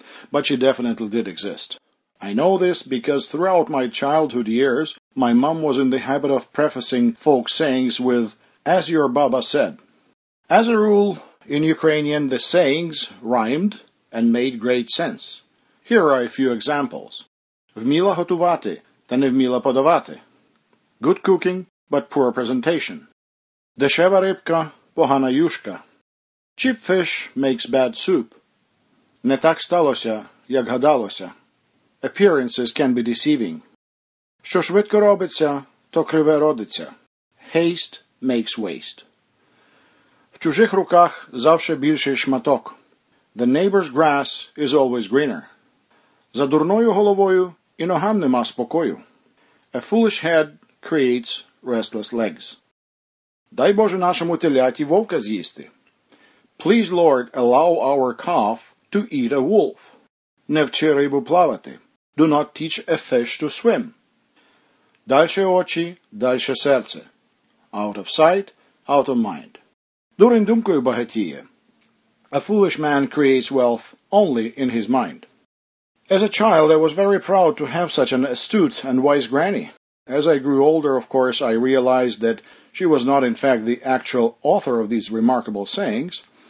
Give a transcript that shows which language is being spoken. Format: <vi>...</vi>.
<en>But she definitely did exist. I know this because throughout my childhood years, my mom was in the habit of prefacing folk sayings with, "As your Baba said." As a rule, in Ukrainian, the sayings rhymed and made great sense. Here are a few examples.</en> <uk>Вміла готувати, та не вміла подавати.</uk> <en>Good cooking, but poor presentation.</en> <uk>Дешева рибка, погана юшка.</uk> <en>Cheap fish makes bad soup.</en> <uk>Не так сталося, як гадалося.</uk> <en>Appearances can be deceiving.</en> <uk>Що швидко робиться, то криве родиться.</uk> <en>Haste makes waste.</en> <uk>В чужих руках завше більший шматок.</uk> <en>The neighbor's grass is always greener.</en> <uk>За дурною головою і ногам нема спокою.</uk> <en>A foolish head creates restless legs.</en> <uk>Дай Боже нашому теляті вовка з'їсти.</uk> <en>Please, Lord, allow our calf to eat a wolf.</en> <uk>Не вчи рибу плавати.</uk> <en>Do not teach a fish to swim.</en> <uk>Дальше очі, дальше серце.</uk> <en>Out of sight, out of mind.</en> <uk>Дурень думкою багатіє.</uk> <en>A foolish man creates wealth only in his mind. As a child, I was very proud to have such an astute and wise granny. As I grew older, of course, I realized that she was not, in fact, the actual author of these remarkable sayings.</en>